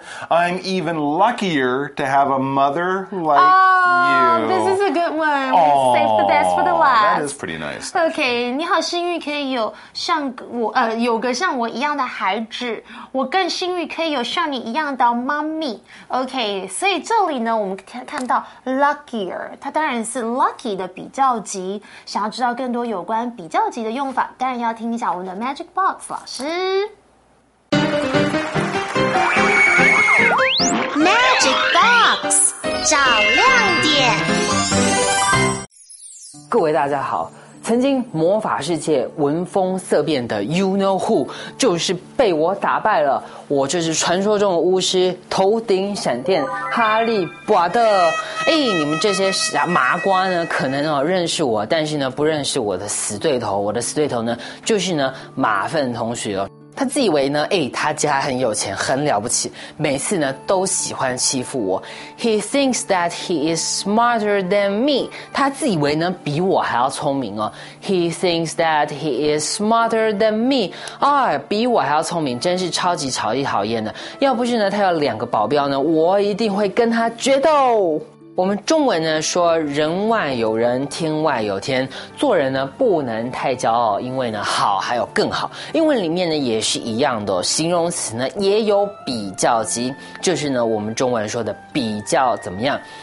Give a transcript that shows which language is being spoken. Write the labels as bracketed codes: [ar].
[en] I'm even luckier to have a mother like you. This is a good one. Save the best for the last. That is pretty nice. [zh] Okay, 你好幸运可以有像我有个像我一样的孩子，我更幸运可以有像你一样的妈咪。 Okay, 所以这里呢，我们看到 luckier， 它当然是 lucky 的比较级。想要知道更多有关比较。高级的用法，当然要听一下我们的 Magic Box 老师。 Magic Box 找亮点。各位大家好。曾经魔法世界闻风色变的 You Know Who 就是被我打败了，我就是传说中的巫师头顶闪电哈利波特。哎，你们这些麻瓜呢可能认识我，但是呢不认识我的死对头。我的死对头呢就是呢马粪同学哦，他自以为呢，哎，他家很有钱，很了不起，每次呢都喜欢欺负我。 [en] He thinks that he is smarter than me. [zh] 他自以为呢比我还要聪明哦。 [en] He thinks that he is smarter than me. [zh] 啊，比我还要聪明，真是超级超级讨厌的。要不是呢他有两个保镖呢，我一定会跟他决斗。我们中文呢说人外有人，天外有天，做人呢不能太骄傲，因为呢好还有更好。英文里面呢也是一样的，形容词呢也有比较级，就是呢我们中文说的比较怎么样。